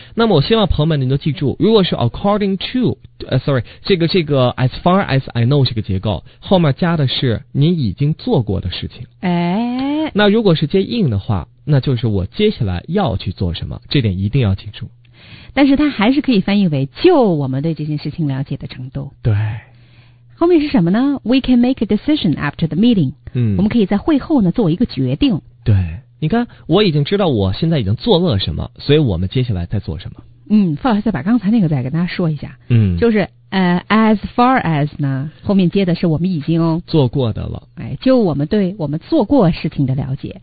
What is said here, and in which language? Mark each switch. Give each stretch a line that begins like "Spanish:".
Chinese: 那么我希望朋友们您都记住，如果是
English: according to，
Chinese: sorry， 这个
English: as far as I know
Chinese: 这个结构，后面加的是你已经做过的事情。哎。那如果是接 in 的话，那就是我接下来要去做什么，这点一定要记住。但是它还是可以翻译为就我们对这件事情了解的程度。对。后面是什么呢？
English: We can make a decision after the meeting。
Chinese: 嗯，我们可以在会后呢做一个决定。对，你看我已经知道我现在已经做了什么，所以我们接下来再做什么。嗯，范老师再把刚才那个再跟大家说一下。嗯，就是as far as 呢，后面接的是我们已经做过的了。哎，就我们对我们做过事情的了解。